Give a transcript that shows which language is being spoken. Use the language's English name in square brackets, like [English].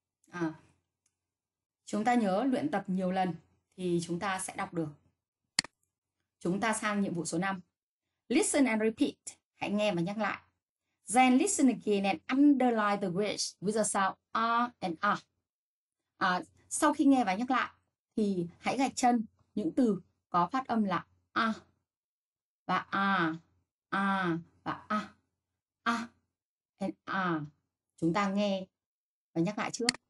[Vietnamese] À, chúng ta nhớ luyện tập nhiều lần thì chúng ta sẽ đọc được. Chúng ta sang nhiệm vụ số 5. [English] Listen and repeat. [Vietnamese] Hãy nghe và nhắc lại. [English] Then listen again and underline the words with the sound R and R. [Vietnamese] À, sau khi nghe và nhắc lại thì hãy gạch chân những từ có phát âm là A và A, A và A, A and A. Chúng ta nghe và nhắc lại trước.